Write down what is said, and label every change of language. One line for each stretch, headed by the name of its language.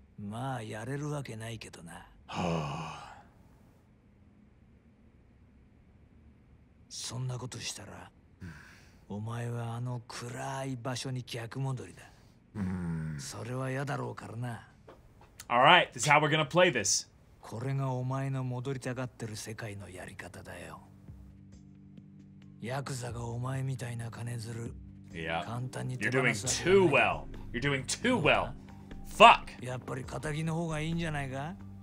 Japanese: まあやれるわけないけどな。はあ。そんなことしたら。お前はあの暗い場所に逆戻りだ。それは嫌だろうからな。
English: All right, this is how we're gonna play this.
Japanese: これがお前の戻りたがってる世界のやり方だよ。ヤクザがお前みたいな金づる、
English: yeah.
Japanese: 簡単に手放さない。
English: You're doing too well. You're doing too well. Fuck.
Japanese: やっぱり仇の方がいいんじゃないか。